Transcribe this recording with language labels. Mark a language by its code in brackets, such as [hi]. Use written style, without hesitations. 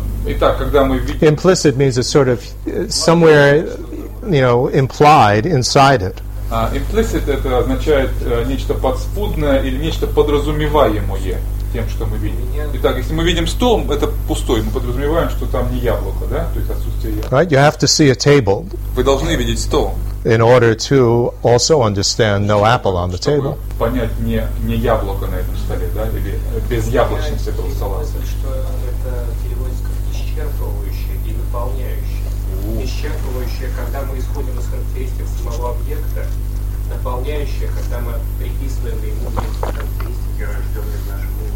[en] Implicit means it's sort of somewhere, you know, implied inside it. [ru] Implicit – это означает нечто подспудное или нечто подразумеваемое тем, что мы видим. Итак, если мы видим стол, это пустой, мы подразумеваем, что там не яблоко, да? То есть отсутствие яблока. [en] Right, you have to see a table. [ru] Вы должны видеть стол. [en] In order to also understand no apple on the table. [ru] Чтобы понять не яблоко на этом столе, да? Или безяблочность этого стола. Что это переводится как исчерпывающее и наполняющее. Исчерпывающее, когда мы исходим из характеристик самого объекта, наполняющее, когда мы приписываем ему характеристики, рожденные в нашем.